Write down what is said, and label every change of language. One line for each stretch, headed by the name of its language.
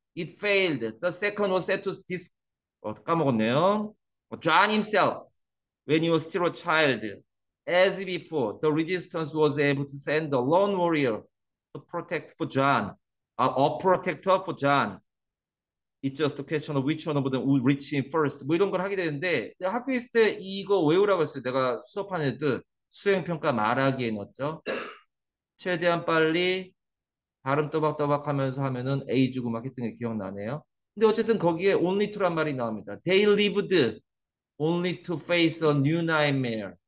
English: It failed. The second was set to dis. 까먹었네요. John himself, when he was still a child. As before, the resistance was able to send a lone warrior to protect for John, a protector for John. It's just a question of which one of them will reach him first.
Korean: 뭐 이런 걸 하게 되는데 학교 있을 때 이거 외우라고 했어요. 내가 수업하는 애들 수행평가 말하기에 넣었죠. 최대한 빨리 발음 또박또박 하면서 하면은 A 주고 막 했던 게 기억나네요. 근데 어쨌든 거기에 only to 란 말이 나옵니다.
English: They lived only to face a new nightmare.